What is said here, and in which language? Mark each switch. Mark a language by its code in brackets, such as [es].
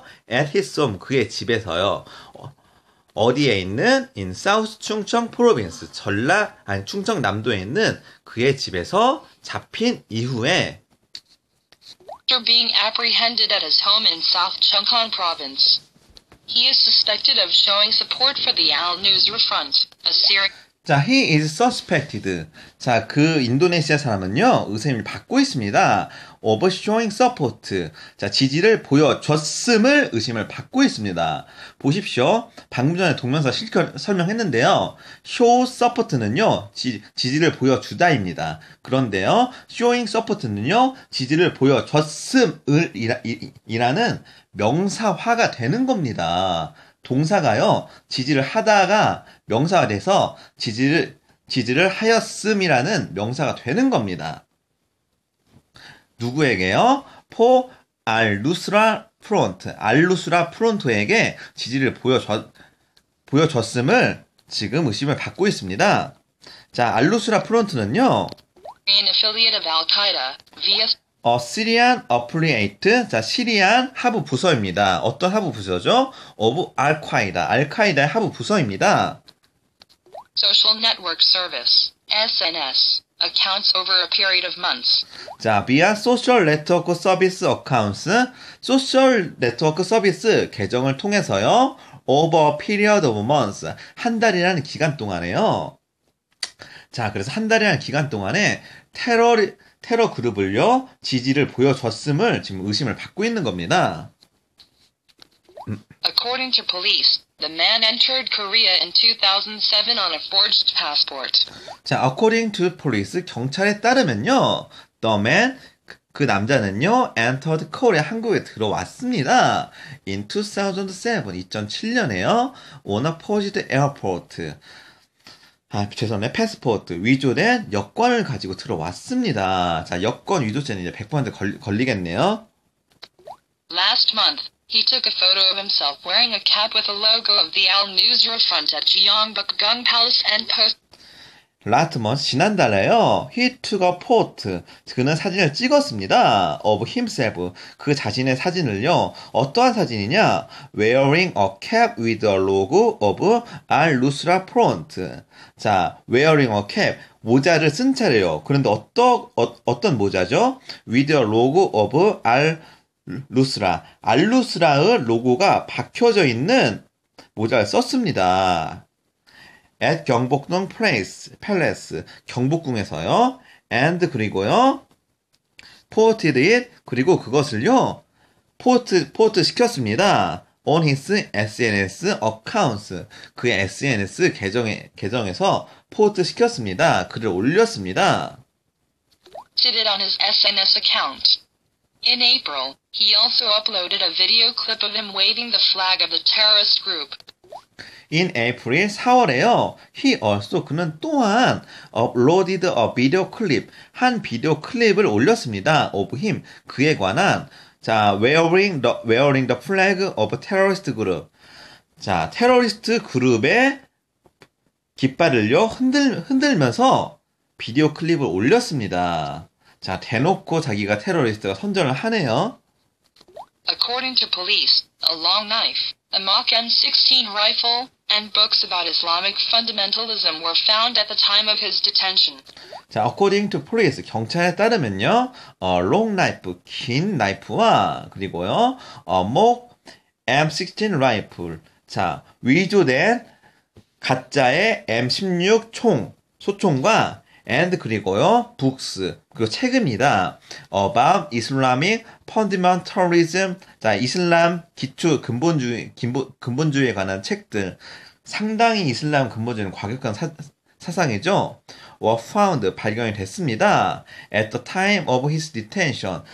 [en] At his home, [ko] 그의 집에서요. 어디에 있는? [en] In South 충청 Province. [ko] 충청 남도에 있는 그의 집에서 잡힌 이후에. [en] After being apprehended at his home in South Chungcheong Province, he is suspected of showing support for the Al Nusra Front, a Syrian. [ko] 자, [en] he is suspected. [ko] 자, 그 인도네시아 사람은요, 의심을 받고 있습니다. [en] Of showing support. [ko] 자, 지지를 보여줬음을 의심을 받고 있습니다. 보십시오. 방금 전에 동명사 설명했는데요. [en] Show support [ko] 는요, 지지를 보여주다입니다. 그런데요, showing support는요, 지지를 보여줬음을이라는 명사화가 되는 겁니다. 동사가요, 지지를 하다가 명사가 돼서 지지를 하였음이라는 명사가 되는 겁니다. 누구에게요? 포 알루스라 프론트. 알루스라 프론트에게 지지를 보여줬음을 지금 의심을 받고 있습니다. 자, 알루스라 프론트는요. [en] An affiliate of Al-Qaeda vs. Syrian Affiliate. [ko] 자, 시리안 하부 부서입니다. 어떤 하부 부서죠? [en] Of Al-Qaeda. [ko] 알카에다의 하부 부서입니다. [en] Social Network Service, SNS, accounts over a period of months. 자, via social network service accounts, social network service 계정을 통해서요, over a period of months, [ko] 한 달이라는 기간 동안에요. 자, 그래서 한 달이라는 기간 동안에 테러 그룹을요, 지지를 보여줬음을 지금 의심을 받고 있는 겁니다. [en] According to police, the man entered Korea in 2007 on a forged passport. 자, according to police, [ko] 경찰에 따르면요, [en] The man, 그 남자는요, entered Korea, [ko] 한국에 들어왔습니다. [en] In 2007, 2007년에요. On a forged airport. [ko] 아, 죄송해요. [en] 패스포트. [ko] 위조된 여권을 가지고 들어왔습니다. 자, 여권 위조죄는 이제 100% 걸리겠네요. [en] Last month, he took a photo of himself wearing a cap with a logo of the Al Nusra Front at Yongbuk Gung Palace and post. Last month, 지난달에요. He took a photo. [ko] 그는 사진을 찍었습니다. [en] Of himself. [ko] 그 자신의 사진을요. 어떠한 사진이냐? [en] Wearing a cap with a logo of Al Nusra Front. [ko] 자, [en] wearing a cap. [ko] 모자를 쓴 채로요. 그런데 어떤 모자죠? [en] With a logo of Al Nusra. [ko] Al Nusra의 로고가 박혀져 있는 모자를 썼습니다. [en] At 경복궁 palace, 경복궁에서요. [ko] And 그리고요. ported it, 그리고 그것을요. [en] port 시켰습니다. on his SNS accounts. [ko] 그의 SNS 계정에서 port 시켰습니다. 글을 올렸습니다. [en] Did it on his SNS account. In April, he also uploaded a video clip of him waving the flag of the terrorist group. In April, 4월에요. He also, [ko] 그는 또한 [en] uploaded a video clip. [ko] 한 비디오 클립을 올렸습니다. Of him. 그에 관한. [en] 자, wearing the flag of a terrorist group. [ko] 자, 테러리스트 그룹의 깃발을요. 흔들면서 비디오 클립을 올렸습니다. 자, 대놓고 자기가 테러리스트가 선전을 하네요. [en] According to police, a long knife, a Mach M16 rifle, and books about Islamic fundamentalism were found at the time of his detention. 자, according to police, [ko] 경찰에 따르면요, [en] long knife, 긴 나이프와, 그리고요, Mock M16 rifle. [ko] 자, 위조된 가짜의 M16 소총과, and 그리고요, books, 그리고 책입니다. [en] About Islamic fundamentalism. [ko] 자, 이슬람 근본주의에 관한 책들. 상당히 이슬람 근본주의는 과격한 사상이죠. [en] were found, [ko] 발견이 됐습니다. [en] At the time of his detention.